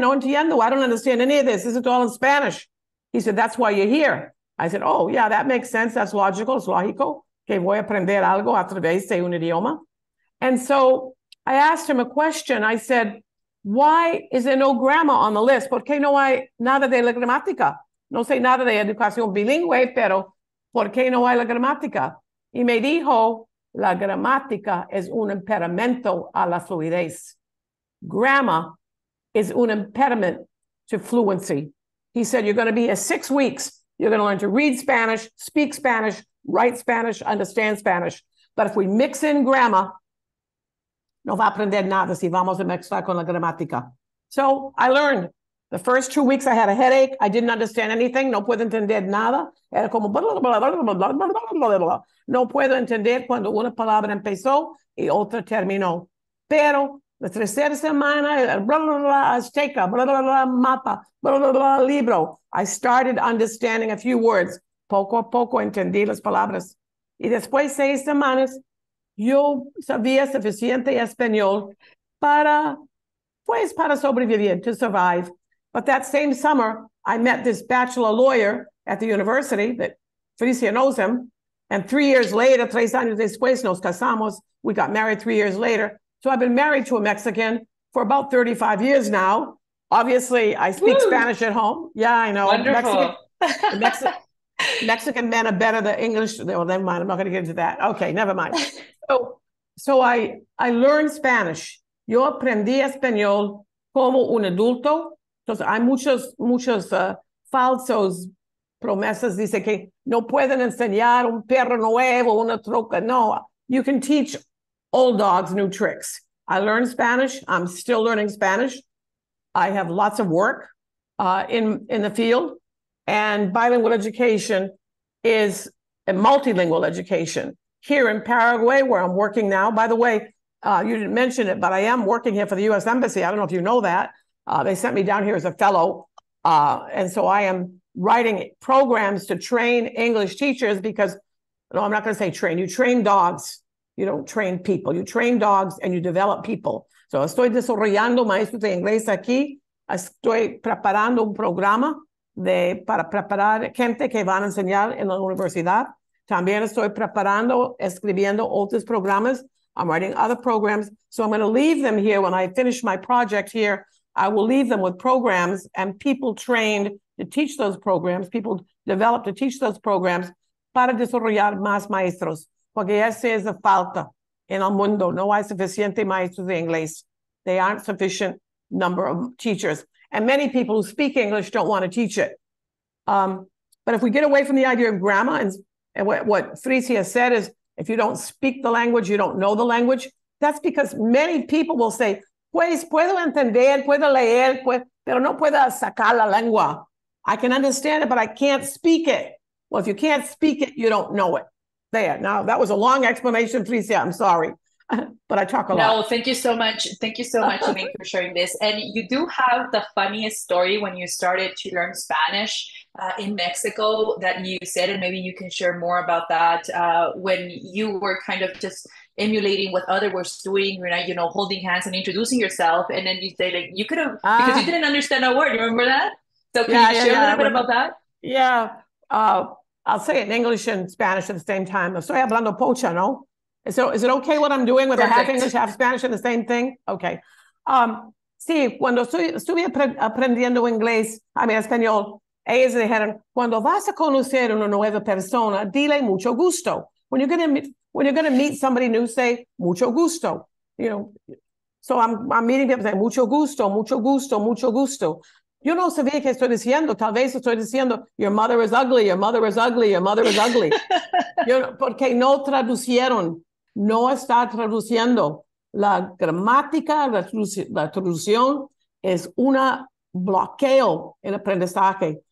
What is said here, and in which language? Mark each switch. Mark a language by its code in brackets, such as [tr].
[es] No entiendo. [en] I don't understand any of this. This is all in Spanish. He said, that's why you're here. I said, oh, yeah, that makes sense. That's logical. It's [es] lógico que voy a aprender algo a través de un idioma. [en] And so I asked him a question. I said, why is there no grammar on the list? [es] ¿Por qué no hay nada de la gramática? No sé nada de educación bilingüe, pero ¿por qué no hay la gramática? Y me dijo, la gramática es un impedimento a la fluidez. [en] Grammar is un impediment to fluency. He said, you're going to be here 6 weeks. You're going to learn to read Spanish, speak Spanish, write Spanish, understand Spanish. But if we mix in grammar, [es] no va a aprender nada si vamos a mezclar con la gramática. [en] So I learned. The first 2 weeks I had a headache. I didn't understand anything. [es] No puedo entender nada. Era como blah, blah, blah, blah, blah, blah, blah, blah, blah. No puedo entender cuando una palabra empezó y otra terminó. Pero la tercera semana, blah, blah, blah, azteca, blah, blah, blah, mapa, blah, blah, blah, libro. [en] I started understanding a few words. [es] Poco a poco entendí las palabras. Y después de 6 semanas, yo sabía suficiente español para, pues, para sobrevivir, [en] to survive. But that same summer, I met this bachelor lawyer at the university that Frissia knows him. And 3 years later, [es] 3 años después, nos casamos. [en] We got married 3 years later. So I've been married to a Mexican for about 35 years now. Obviously, I speak Woo. Spanish at home. Yeah, I know. Wonderful. Mexican men are better than English. Well, never mind. I'm not going to get into that. Okay, never mind. So I learned Spanish. [es] Yo aprendí español como un adulto. Entonces, hay muchos falsos promesas. Dice que no pueden enseñar un perro nuevo, una troca. [en] No, you can teach old dogs new tricks. I learned Spanish. I'm still learning Spanish. I have lots of work in the field. And bilingual education is a multilingual education. Here in Paraguay, where I'm working now, by the way, you didn't mention it, but I am working here for the U.S. Embassy. I don't know if you know that. They sent me down here as a fellow. And so I am writing programs to train English teachers because, no, I'm not going to say train, you train dogs. You don't train people. You train dogs and you develop people. So [es] estoy desarrollando maestros de inglés aquí. Estoy preparando un programa de para preparar gente que van a enseñar en la universidad. También estoy preparando, escribiendo otros programas. [en] I'm writing other programs. So I'm going to leave them here. When I finish my project here, I will leave them with programs and people trained to teach those programs, people developed to teach those programs [es] para desarrollar más maestros. Porque esa es la falta en el mundo. No hay suficiente maestros de inglés. [en] They aren't sufficient number of teachers. And many people who speak English don't want to teach it. But if we get away from the idea of grammar and what Frissia said is, if you don't speak the language, you don't know the language. That's because many people will say, [es] pues puedo entender, puedo leer, pero no puedo sacar la lengua. [en] I can understand it, but I can't speak it. Well, if you can't speak it, you don't know it. There. Now, that was a long explanation, Frissia. I'm sorry, but I talk a lot. No, thank you so much. Thank you so much, Elaine, for sharing this. And you do have the funniest story when you started to learn Spanish in Mexico that you said, and maybe you can share more about that when you were kind of just emulating what others were doing, right? You know, holding hands and introducing yourself. And then you say, like, you could have, because you didn't understand a word. You remember that? So can you share a little bit about that? Yeah. I'll say it in English and Spanish at the same time. [es] Estoy hablando pocha, no? [en] So is it okay what I'm doing with a half English, half Spanish and the same thing? Okay. [es] Sí, cuando estuve aprendiendo inglés, [en] I mean, [es] español, ellos dijeron, cuando vas a conocer una nueva persona, dile mucho gusto. [en] When you're gonna meet somebody new, say mucho gusto. You know, so I'm meeting people, say mucho gusto, mucho gusto, mucho gusto. [es] Yo no sabía que estoy diciendo. Tal vez estoy diciendo, [en] your mother is ugly, your mother is ugly, your mother is ugly. [es] Yo, porque no traducieron. No está traduciendo. La gramática, la traducción es una bloqueo en aprendizaje.